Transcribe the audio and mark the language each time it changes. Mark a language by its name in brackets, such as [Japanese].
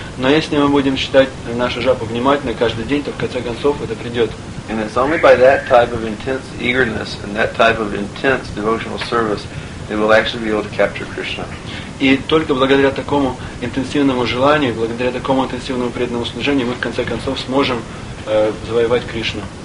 [Russian] Но если мы будем читать нашу жапу внимательно каждый день, то в конце концов это придет. [English] And it's only by that type of intense eagerness and that type of intense devotional service that we'll actually be able to capture Krishna. [Russian] И только благодаря такому интенсивному желанию, благодаря такому интенсивному преданному служению, мы в конце концов сможем завоевать Кришну.